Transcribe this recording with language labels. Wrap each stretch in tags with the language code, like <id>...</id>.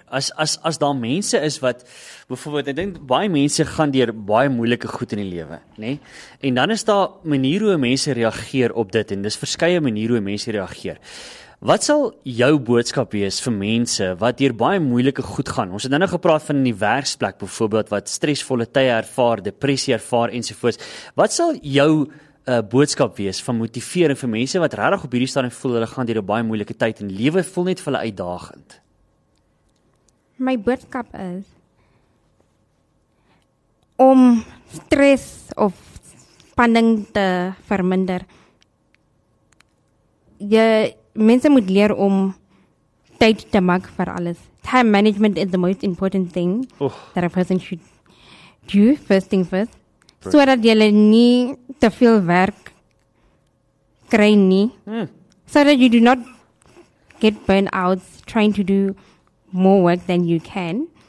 <af>As daar mense is wat, bijvoorbeeld, ek dink baie mense gaan deur baie moeilike goed in die lewe, né? En dan is daar maniere hoe mense reageer op dit, en dis verskeie maniere hoe mense reageer. Wat sal jou boodskap wees vir mense wat deur baie moeilike goed gaan? Ons het nou gepraat van die werksplek, bijvoorbeeld, wat stresvolle tye ervaar, depressie ervaar, ensovoorts. Wat sal jou boodskap wees van motivering vir mense wat regtig op hierdie stadium voel hulle gaan deur 'n baie moeilike tyd en lewe voel net vir hulle uitdagend? My boodskap is om stres of spanning te verminder. Mense moet leer om tyd te maak vir alles.</af> <en>Time management is the most important thing that a person should do first thing first.</en> <af>So dat jylle nie te veel werk kry nie.</af> <en>So that you do not get burnt out trying to do more work than you can.</en>